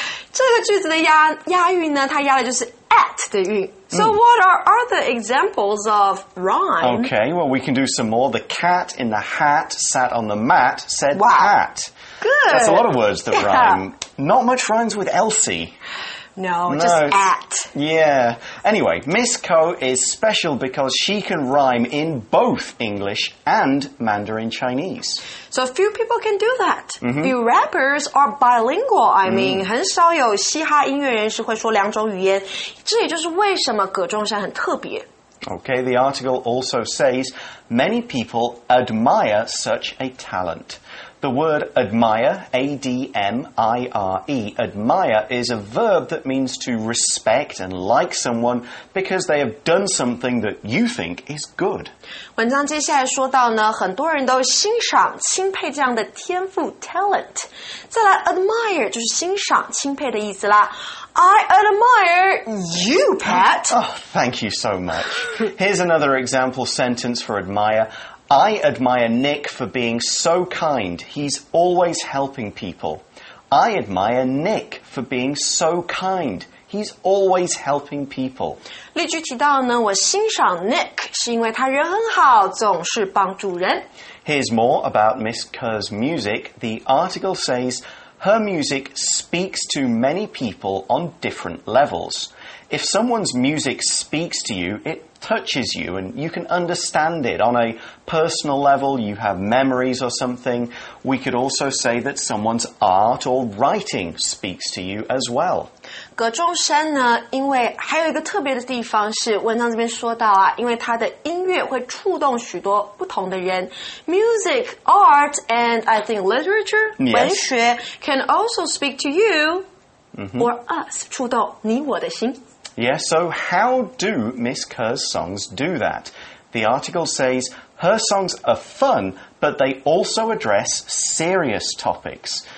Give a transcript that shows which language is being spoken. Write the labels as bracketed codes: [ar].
[zh] 这个句子的押韵呢，它押的就是 at 的韵。 [en] So what are other examples of rhyme? Okay, well we can do some more. The cat in the hat sat on the mat said pat. Good. That's a lot of words that rhyme. Not much rhymes with Elsie. No, just at. Yeah. Anyway, Miss Ko is special because she can rhyme in both English and Mandarin Chinese. So few people can do that. Mm-hmm. Few rappers are bilingual. I mean, [zh] 很少有嘻哈音乐人士会说两种语言。这也就是为什么葛仲山很特别。 [en] Okay, the article also says, many people admire such a talent. The word admire, A-D-M-I-R-E, admire is a verb that means to respect and like someone because they have done something that you think is good. [zh] 文章接下来说到呢，很多人都欣赏、钦佩这样的天赋 talent. 再来 admire 就是欣赏、钦佩的意思啦。 [en] I admire you, Pat. Oh, thank you so much. Here's another example sentence for admire. I admire Nick for being so kind. He's always helping people. I admire Nick for being so kind. He's always helping people. [zh] 例句提到呢，我欣赏 Nick 是因为他人很好，总是帮助人。 [en] Here's more about Miss Kerr's music. The article says... Her music speaks to many people on different levels. If someone's music speaks to you, it touches you and you can understand it on a personal level, you have memories or something. We could also say that someone's art or writing speaks to you as well. [zh] 葛仲山呢，因为还有一个特别的地方是文章这边说到啊，因为他的音乐会触动许多不同的人。 [en] Music, art, and I think literature, yes. 文学 can also speak to you、mm-hmm. or us, [zh] 触动你我的心。 [en] Yeah, so how do Miss Kerr's songs do that? The article says, her songs are fun, but they also address serious topics.